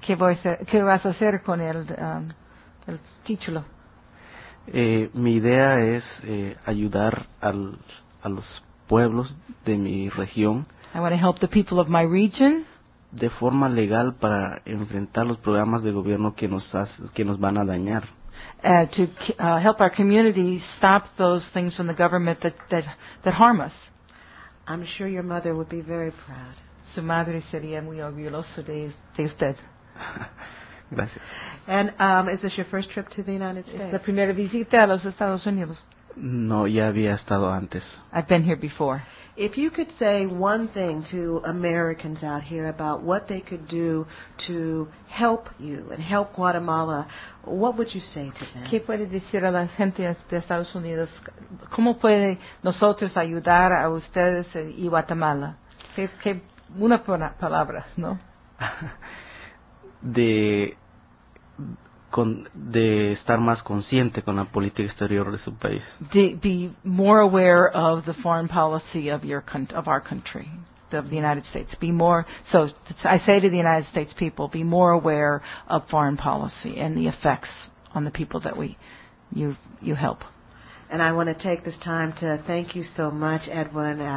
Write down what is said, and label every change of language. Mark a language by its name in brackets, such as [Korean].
[Spanish] ¿Qué vas a hacer con el título? Mi idea es ayudar a los pueblos de mi región. [English] I want to help the people of my region. [Spanish] De forma legal para enfrentar los programas de gobierno que nos van a dañar. [English] To help our community stop those things from the government that harm us. I'm sure your mother would be very proud. [Spanish] Su madre sería muy orgulloso de usted. Gracias. [English] And is this your first trip to the United States? [Spanish] La primera visita a los Estados Unidos. No, ya había estado antes. [English] I've been here before. If you could say one thing to Americans out here about what they could do to help you and help Guatemala, what would you say to them? [Spanish] ¿Qué puede decir a la gente de Estados Unidos? ¿Cómo puede nosotros ayudar a ustedes y Guatemala? ¿Qué una palabra, no? de estar más consciente con la política exterior de su país. [English] To be more aware of the foreign policy of your of our country, of the United States. Be more. So I say to the United States people, be more aware of foreign policy and the effects on the people that you help. And I want to take this time to thank you so much, Edwin.